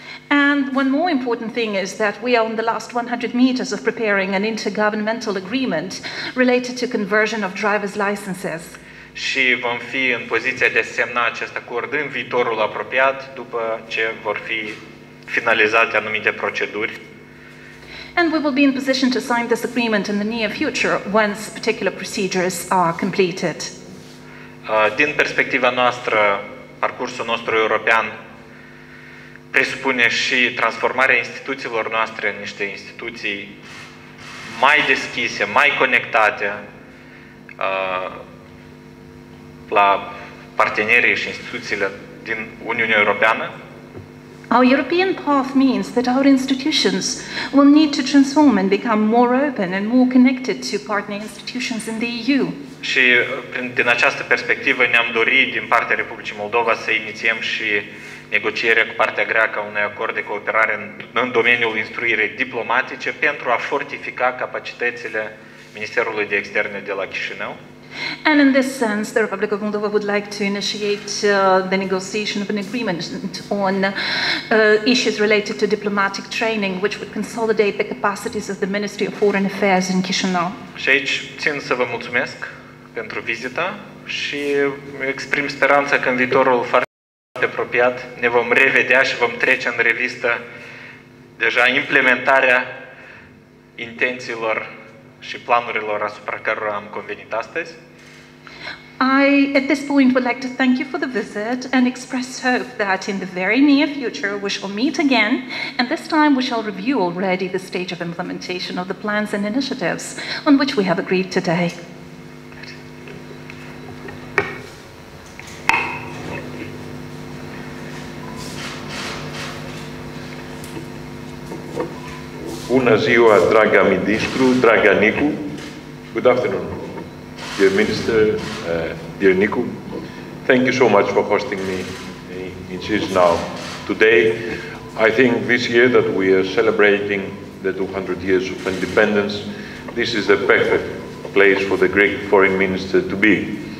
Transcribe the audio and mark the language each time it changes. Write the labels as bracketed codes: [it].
[en] And one more important thing is that we are on the last 100 meters of preparing an intergovernmental agreement related to conversion of driver's licenses. [ro] Și vom fi în poziția de a semna acest acord în viitorul apropiat, după ce vor fi finalizate anumite proceduri. [en] And we will be in position to sign this agreement in the near future once particular procedures are completed. [ro] Din perspectiva noastră, parcursul nostru european presupune și transformarea instituțiilor noastre în niște instituții mai deschise, mai conectate la partenerii și instituțiile din Uniunea Europeană. [en] Our European path means that our institutions will need to transform and become more open and more connected to partner institutions in the EU. [ro] Și din această perspectivă ne-am dorit din partea Republicii Moldova să inițiem și negocierea cu partea greacă a unui acord de cooperare în domeniul instruirii diplomatice pentru a fortifica capacitățile Ministerului de Externe de la Chișinău. [en] And in this sense, the Republic of Moldova would like to initiate the negotiation of an agreement on issues related to diplomatic training, which would consolidate the capacities of the Ministry of Foreign Affairs in Chișinău. [ro] Și aici țin să vă mulțumesc pentru vizita și exprim speranța că în viitorul foarte apropiat ne vom revedea și vom trece în revistă deja implementarea intențiilor și planurilor asupra cărora am convenit astăzi. [en] I at this point would like to thank you for the visit and express hope that in the very near future we shall meet again, and this time we shall review already the stage of implementation of the plans and initiatives on which we have agreed today. [ro] Bună ziua, dragă ministru, dragă Nicu. [en] Good afternoon, dear minister, dear Nicu. Thank you so much for hosting me in Chișinău today. I think this year that we are celebrating the 200 years of independence, this is the perfect place for the Greek foreign minister to be.